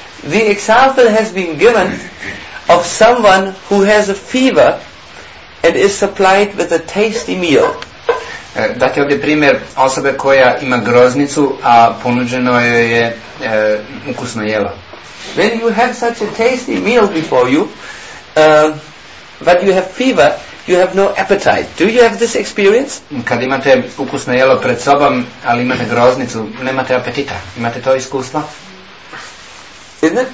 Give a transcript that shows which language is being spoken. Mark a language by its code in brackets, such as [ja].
[en] The example has been given of someone who has a fever and is supplied with a tasty meal. [hr] Date ovdje primjer osobe koja ima groznicu, a ponuđeno joj je ukusno jelo. [en] When you have such a tasty meal before you, but you have fever, you have no appetite. Do you have this experience? [hr] Kad imate ukusno jelo pred sobom, ali imate groznicu, nemate apetita. Imate to iskustvo? [en] Isn't it?